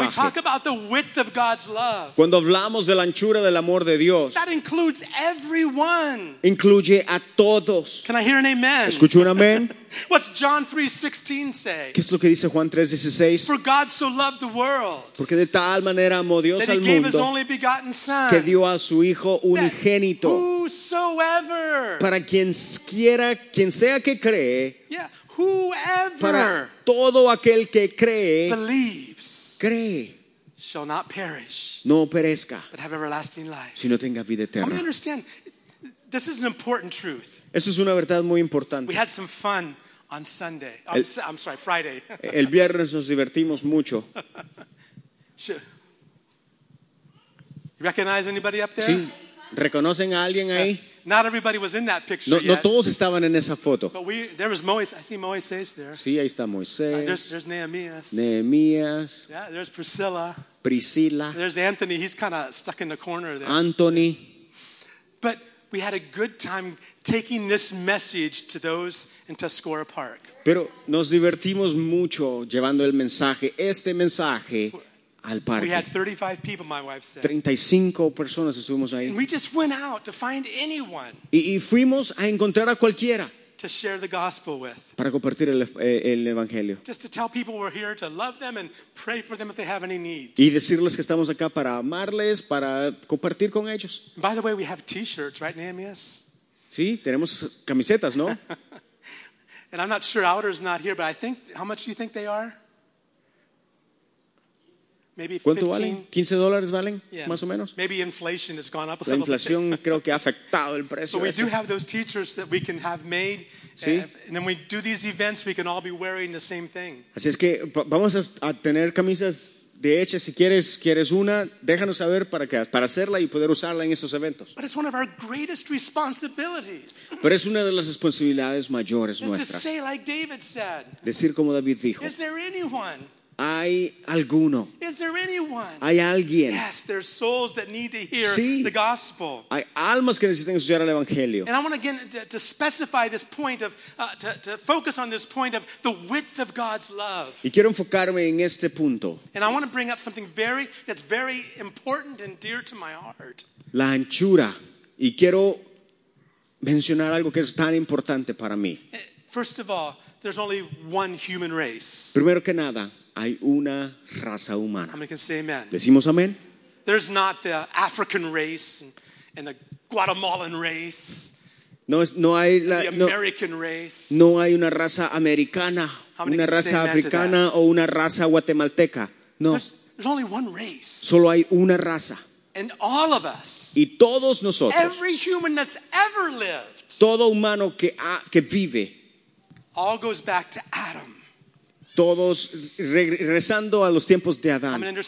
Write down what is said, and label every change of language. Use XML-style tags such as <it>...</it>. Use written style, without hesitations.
<en>When we talk about the width of God's love,</en> <es>cuando hablamos de la anchura del amor de Dios,</es> <en>that includes everyone.</en> <es>Incluye a todos.</es> <en>Can I hear an amen?</en> <es>¿Escucho un amén?</es> <en>What's John 3:16 say?</en> <es>¿Qué es lo que dice Juan 3:16?</es> <en>For God so loved the world.</en> <es>Porque de tal manera amó Dios al mundo.</es> <en>That he gave his only begotten son.</en> <es>Que dio a su hijo unigénito.</es> <en>Whosoever.</en> <es>Para quien quiera, quien sea que cree.</es> <en>Yeah, whoever.</en> <es>Para todo aquel que cree.</es> <en>Believes.</en> <es>Cree.</es> <en>Shall not perish.</en> <es>No perezca.</es> <en>But have everlasting life.</en> <es>Sino tenga vida eterna.</es> <en>I'm gonna understand. This is an important truth.</en> <es>Eso es una verdad muy importante.</es> <en>We had some fun on Sunday. I'm sorry, Friday.</en> <es>El viernes nos divertimos mucho.</es> <en>You recognize anybody up there?</en> <es>Sí. ¿Reconocen a alguien ahí?</es> <en>Not everybody was in that picture.</en> <es>No todos estaban en esa foto.</es> <en>But there was Moisés. I see Moisés there.</en> <es>Sí, ahí está Moisés.</es> <en>There's Nehemías.</en> <es>Nehemías.</es> <en>Yeah, there's Priscilla.</en> <es>Priscilla.</es> <en>There's Anthony. He's kind of stuck in the corner there.</en> <es>Anthony.</es> <en>But we had a good time taking this message to those in Tuscora Park.</en> <es>Pero nos divertimos mucho llevando el mensaje, este mensaje al parque.</es> <en>We had 35 people, my wife said.</en> <es>35 personas estuvimos ahí.</es> <en>And we just went out to find anyone.</en> <es>Y fuimos a encontrar a cualquiera.</es> <en>To share the gospel with.</en> <es>Para compartir el evangelio.</es> <en>Just to tell people we're here to love them and pray for them if they have any needs.</en> <es>Y decirles que estamos acá para amarles, para compartir con ellos.</es> <en>By the way, we have t-shirts, right, Nehemias?</en> <es>Sí, tenemos camisetas, ¿no?</es> <en>And I'm not sure Outer's not here, but I think, how much do you think they are? Maybe 15.</en> <es>¿Cuánto valen? $15 valen,</es> <en>yeah.</en> <es>Más o menos.</es> <en>Maybe inflation has gone up a little.</en> <es>La inflación creo que ha afectado el precio.</es> <en>But we do have those t-shirts that we can have made.</en> <es>Sí.</es> <en>And then we do these events, we can all be wearing the same thing.</en> <es>Así es que vamos a tener camisas de hecha. Si quieres una, déjanos saber para hacerla y poder usarla en estos eventos.</es> <en>But it's one of our greatest responsibilities.</en> <es>Pero es una de las responsabilidades mayores nuestras.</es> <en>Just to say like David said.</en> <es>Decir como David dijo.</es> <en>Is there anyone?</en> <es>¿Hay alguno?</es> <en>Is there anyone?</en> <es>¿Hay alguien?</es> <en>Yes, there's souls that need to hear.</en> <es>Sí.</es> <en>The gospel.</en> <es>Hay almas que necesitan escuchar el evangelio.</es> <en>And I want again to specify this point of to focus on this point of the width of God's love.</en> <es>Y quiero enfocarme en este punto.</es> <en>And I want to bring up something that's very important and dear to my heart.</en> <es>La anchura. Y quiero mencionar algo que es tan importante para mí.</es> <en>First of all, there's only one human race.</en> <es>Primero que nada, hay una raza humana.</es> <en>How many can say amen?</en> <es>Decimos amén.</es> <en>There's not the African race and the Guatemalan race.</en> <es>No hay la</es> <en>American race.</en> <es>No hay una raza americana, una raza africana o una raza guatemalteca. No.</es> <en>There's only one race.</en> <es>Solo hay una raza.</es> <en>And all of us.</en> <es>Y todos nosotros.</es> <en>Every human that's ever lived.</en> <es>Todo humano que vive.</es> <en>All goes back to Adam.</en> <es>Todos regresando a los tiempos de Adán.</es>